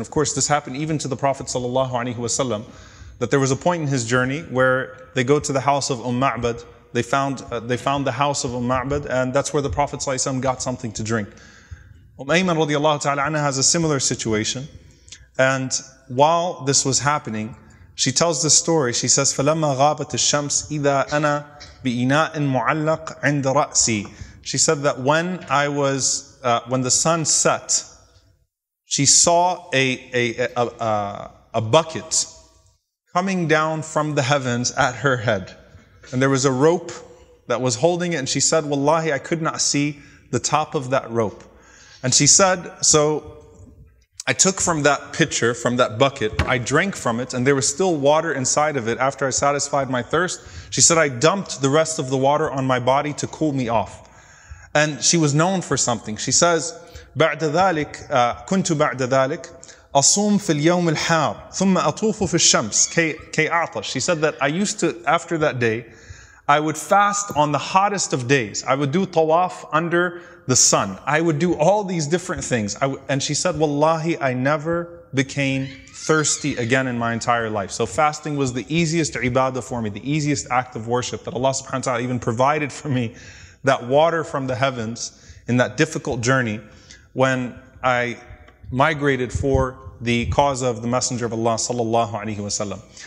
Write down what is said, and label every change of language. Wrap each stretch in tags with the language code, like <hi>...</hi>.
<en>And of course, this happened even to the Prophet sallallahu alaihi wasallam, that there was a point in his journey where they go to the house of Ma'bad, they found the house of Ma'bad, and that's where the Prophet sallallahu alaihi wasallam got something to drink. Ayman radiallahu ta'ala anha has a similar situation, and while this was happening, she tells this story. She says,</en> <ar>فَلَمَّا غَابَتِ الشَّمْسِ إِذَا أَنَا بِإِنَاءٍ مُعَلَّقٍ عِنْدَ رَأْسِي.</ar> <en>She said that when I was when the sun set, she saw a bucket coming down from the heavens at her head, and there was a rope that was holding it. And she said, "Wallahi, I could not see the top of that rope." And she said, "So I took from that pitcher, from that bucket, I drank from it, and there was still water inside of it after I satisfied my thirst. She said, I dumped the rest of the water on my body to cool me off. And she was known for something. She says,</en> <ar>بعد ذلك, كنت بعد ذلك, أصوم في اليوم الحار, ثم أطوف في الشمس, كي أعطش.</ar> <en>She said that I used to, after that day, I would fast on the hottest of days. I would do tawaf under the sun. I would do all these different things. And she said, Wallahi, I never became thirsty again in my entire life. So fasting was the easiest ibadah for me, the easiest act of worship that Allah subhanahu wa ta'ala even provided for me, that water from the heavens in that difficult journey when I migrated for the cause of the Messenger of Allah sallallahu alayhi wa sallam.</en>